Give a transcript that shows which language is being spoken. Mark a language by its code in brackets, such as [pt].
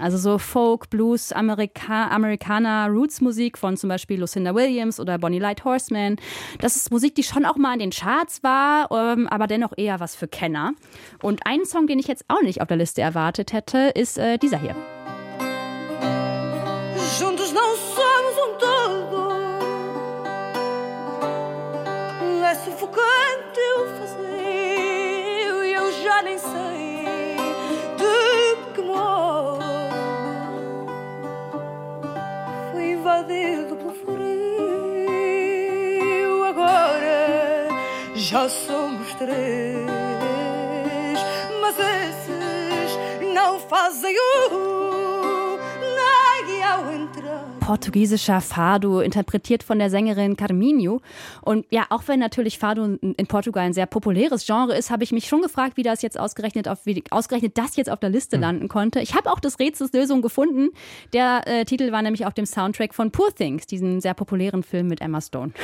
[de] Also so Folk, Blues, Americana-Roots-Musik von zum Beispiel Lucinda Williams oder Bonnie Light Horseman. Das ist Musik, die schon auch mal in den Charts war, aber dennoch eher was für Kenner. Und ein Song, den ich jetzt auch nicht auf der Liste erwartet hätte, ist dieser hier. [pt] Juntos não somos um todo. É sufocante o vazio e eu já nem sei de que modo fui invadido pelo frio. Agora já somos três, mas esses não fazem o nem ao entrar. [de] portugiesischer Fado, interpretiert von der Sängerin Carminho. Und ja, auch wenn natürlich Fado in Portugal ein sehr populäres Genre ist, habe ich mich schon gefragt, wie das jetzt ausgerechnet das jetzt auf der Liste landen konnte. Ich habe auch das Rätsels Lösung gefunden. Der Titel war nämlich auf dem Soundtrack von Poor Things, diesen sehr populären Film mit Emma Stone.